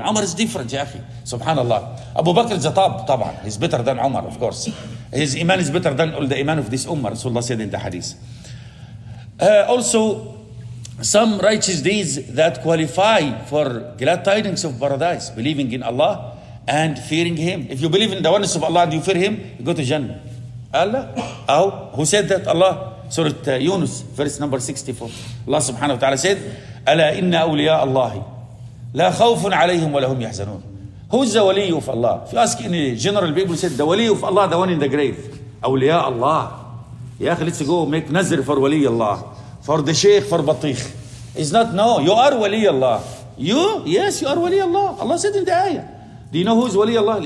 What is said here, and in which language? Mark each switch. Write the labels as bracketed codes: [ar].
[ar] عمر [en] is different [ar] يا أخي, سبحان الله. [en] أبو بكر is the top, [ar] طبعا [en] he's better than عمر, of course his iman is better than all the iman of this ummah. رسول الله said in the hadith. Also some righteous deeds that qualify for glad tidings of paradise, believing in Allah and fearing him. If you believe in the oneness of Allah and you fear him, you go to Jannah. Allah, أو who said that? Allah, سورة يونس verse number 64. [ar] الله سبحانه وتعالى [en] said, [ar] ألا إن أولياء الله لا خوف عليهم ولا هم يحزنون. [en] Who's the ولي of Allah? If you ask any general people, said, the ولي of Allah, the one in the grave. [ar] أولياء الله. يا أخي, [en] let's go make [ar] نذر for ولي الله. [en] For the شيخ, for بطيخ. It's not, no, you are ولي الله. You? Yes, you are ولي الله. Allah said in the ayah. Do you know who's ولي الله?